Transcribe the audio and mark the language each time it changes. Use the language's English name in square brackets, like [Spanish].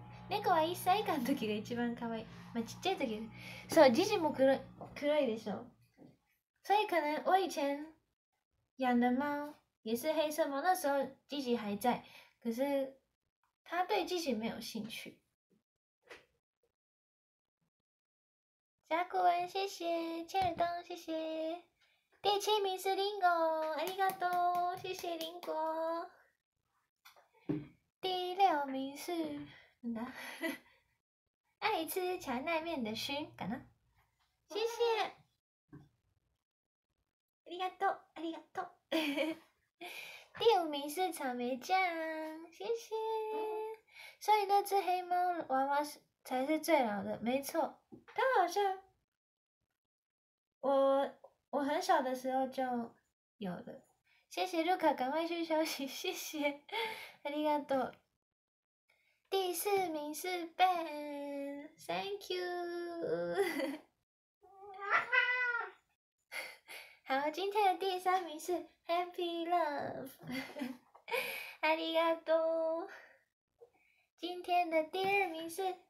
[Japanese] 猫は一歳以下の時が一番可愛い。まあ、ちっちゃい時、そう、ジジも黒いでしょ。 [Chinese] 所以可能我以前养的猫也是黑色猫，那时候ジジ还在，可是他对ジジ没有兴趣。甲骨文，谢谢，切尔东，谢谢。第七名是リンゴ， [Japanese] ありがとう， [Chinese] 谢谢リンゴ。第六名是哪？爱吃荞麦面的熏，かな？谢谢， [Japanese] ありがとう，ありがとう。 [Chinese] 第五名是草莓酱，谢谢。所以那只黑猫娃娃才是最老的，没错，它好像我很小的时候就有了。谢谢卢卡，赶快去休息，谢谢， [Japanese] ありがとう。 [Chinese] 第四名是 Ben， [English] Thank you。 [Chinese] 好，今天的第三名是 Happy Love， [Japanese] ありがとう。 [Chinese] 今天的第二名是